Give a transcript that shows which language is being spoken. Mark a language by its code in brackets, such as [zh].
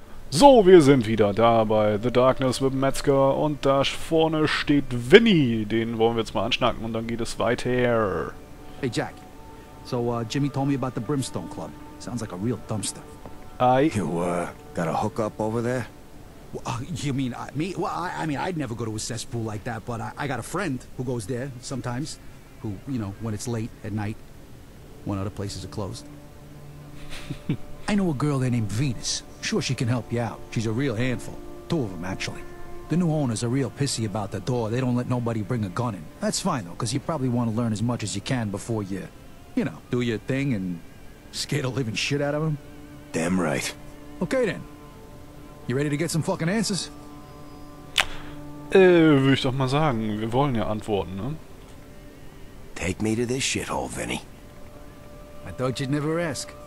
[de] So, wir sind wieder da bei The Darkness mit Metzger und da vorne steht Vinny. Den wollen wir jetzt mal anschnacken und dann geht es weiter. [en] Hey Jack, so Jimmy told me about the Brimstone Club. Sounds like a real dumpster. You got a hookup over there? You mean me? Well, I mean, I'd never go to a cesspool like that, but I got a friend who goes there sometimes. Who, you know, when it's late at night, when other places are closed. I know a girl there named Venus. Sure, she can help you out. She's a real handful. Two of them, actually. The new owners are real pissy about the door. They don't let nobody bring a gun in. That's fine, though, because you probably want to learn as much as you can before you, you know, do your thing and scare the living shit out of them. Damn right. Okay, then. You ready to get some fucking answers? [de] Würde ich doch mal sagen, wir wollen ja Antworten, ne? [en] Take me to this shithole, Vinny. I thought you'd never ask.